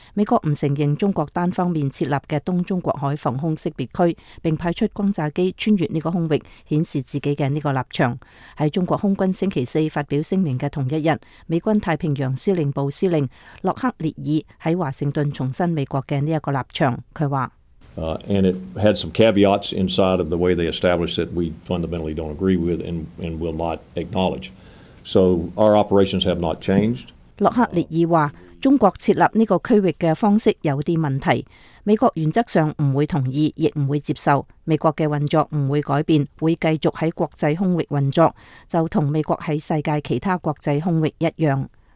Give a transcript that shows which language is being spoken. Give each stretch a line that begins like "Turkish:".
Chinese: 美国不承认中国单方面设立的东中国海防空识别区，并派出轰炸机穿越这个空域，显示自己的这个立场。在中国空军星期四发表声明的同一日，美军太平洋司令部司令洛克列尔在华盛顿重申美国的这个立场。他说
English: And it had some caveats inside of the way they established it we fundamentally don't agree with and will not acknowledge. So our operations have not changed.
Chinese: 洛克列尔说，中国设立这个区域的方式有点问题，美国原则上不会同意，亦不会接受，美国的运作不会改变，会继续在国际空域运作，就跟美国在世界其他国际空域一样。